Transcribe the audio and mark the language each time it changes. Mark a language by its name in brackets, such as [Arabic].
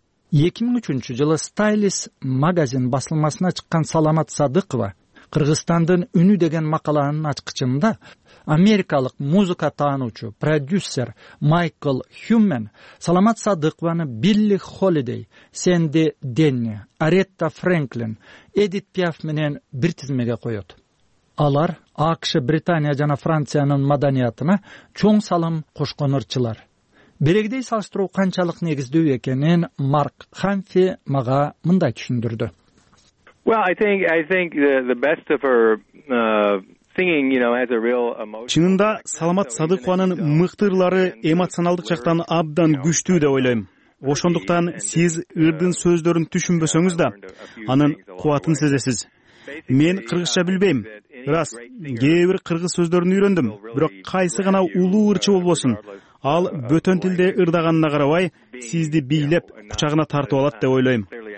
[Kyrgyz] 2003 жылы Stylist магазин басылмасына чыккан Саламат Садыкова Кыргызстандын үнү деген макаланын ачкычында америкалык музыка таануучу продюсер Майкл Хюмен Саламат Садыкованы Билли Холидей, Сэнди Денни, Аретта Фрэнклин, Эдит Пиаф менен бир тизмеге коет. Алар АКШ, Британия жана Франциянын маданиятына чоң салым кошкон ырчылар. Берегидей салыштыруу канчалык негиздүү экенин Марк Ханфи мага мындай түшүндүрдү. [English] I think the best of her singing, you know, has a real emotion. [Kyrgyz] Чынында Саламат Садыкованын мыкты ырлары эмоционалдык жактан абдан күчтүү деп ойлойм. Ошондуктан сиз ырдын сөздөрүн түшүнбөсөңүз да, анын кубатын сезесиз. Мен кыргызча билбейм. Рас, кээ бир кыргыз сөздөрүн үйрөндүм, бирок кайсы гана улуу ырчы болбосун, ал бөтөн тилде ырдаганына карабай, сизди бийлеп, кучагына тартып алат деп ойлойм.